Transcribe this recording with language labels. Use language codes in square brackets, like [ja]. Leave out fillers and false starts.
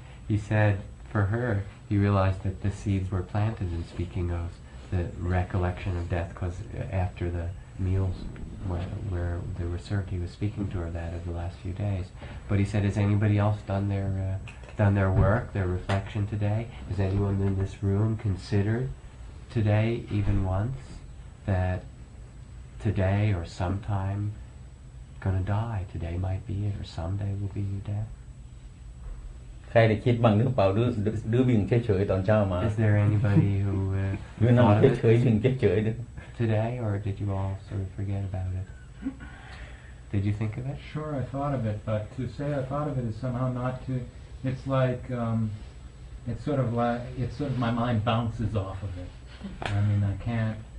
[en] He said, for her, he realized that the seeds were planted in speaking ofthe recollection of death because after the meals where they were served he was speaking to her that of the last few days but he said has anybody else done their work their reflection today has anyone in this room considered today even once that today or sometime gonna die today might be it or someday will be your death [th] ใครได้คิดบ้างหรือเปล่าหรือวิ่งเฉยๆตอนเช้ามา [en] Is there anybody who [th] หรือนอนเฉยๆวิ่งเฉย [en] ๆ Today or did you all sort of forget about it? Did you think of it? Sure, I thought of it, but to say I thought of it is somehow not to. It's like it's sort of my mind bounces off of it. I mean, I can't.